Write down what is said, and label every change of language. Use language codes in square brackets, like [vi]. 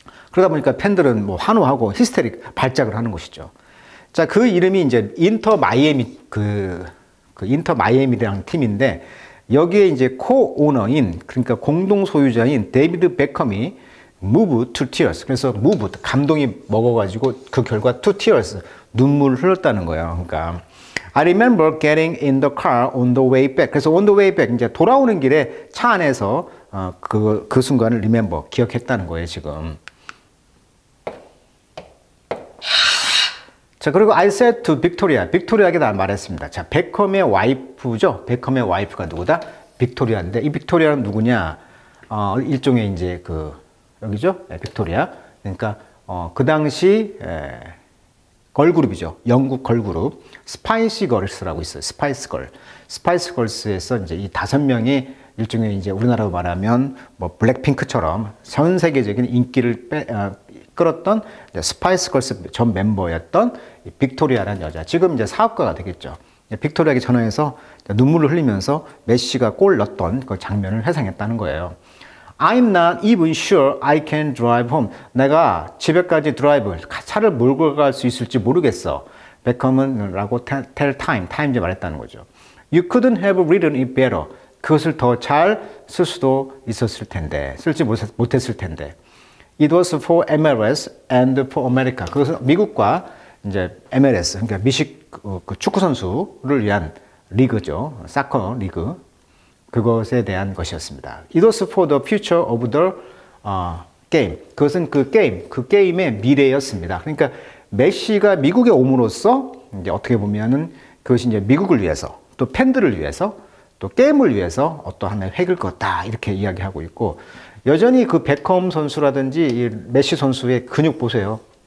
[ko] 그러다 보니까 팬들은 뭐 환호하고 hysteric 발작을 하는 것이죠. 자, 그 이름이 이제 인터 마이애미, 인터 마이애미라는 팀인데, 여기에 이제 코오너인, 그러니까 공동 소유자인 데이비드 베컴이 [en] move to tears. [ko] 그래서 move, 감동이 먹어가지고 그 결과 [en] to tears, [ko] 눈물을 흘렸다는 거예요. [en] 그러니까 I remember getting in the car on the way back. [ko] 그래서 [en] on the way back, [ko] 이제 돌아오는 길에 차 안에서 그 순간을 remember, 기억했다는 거예요, 지금. [en] 자, 그리고 I said to Victoria. [ko] 빅토리아에게 난 말했습니다. 자, 베컴의 와이프죠. 베컴의 와이프가 누구다? 빅토리아인데 이 빅토리아는 누구냐? 일종의 이제 그 여기죠? 네, 빅토리아. 그러니까 그 당시 걸그룹이죠. 영국 걸그룹 스파이시 걸스라고 있어요. 스파이스 걸. 스파이스 걸스에서 이제 이 다섯 명이 일종의 이제 우리나라로 말하면 뭐 블랙핑크처럼 전 세계적인 인기를 끌었던 스파이스 걸스 전 멤버였던 빅토리아라는 여자. 지금 이제 사업가가 되겠죠. 빅토리아에게 전화해서 눈물을 흘리면서 메시가 골 넣었던 그 장면을 회상했다는 거예요. [en] I'm not even sure I can drive home. [ko] 내가 집에까지 드라이브, 차를 몰고 갈 수 있을지 모르겠어. 베컴은 라고 tell time, time 말했다는 거죠. [en] You couldn't have written it better. [ko] 그것을 더 잘 쓸 수도 있었을 텐데, 쓸지 못했을 텐데. [en] It was for MLS and for America. [ko] 그것은 미국과 이제 MLS, 그러니까 미식 그 축구선수를 위한 리그죠. 사커 리그. 그것에 대한 것이었습니다. [en] It was for the future of the game. [ko] 그것은 그 게임, 그 게임의 미래였습니다. 그러니까 메시가 미국에 옴으로써 이제 어떻게 보면은 그것이 이제 미국을 위해서 또 팬들을 위해서 또 게임을 위해서 어떠한 획을 그었다 이렇게 이야기하고 있고 여전히 그 베컴 선수라든지 이 메시 선수의 근육 보세요.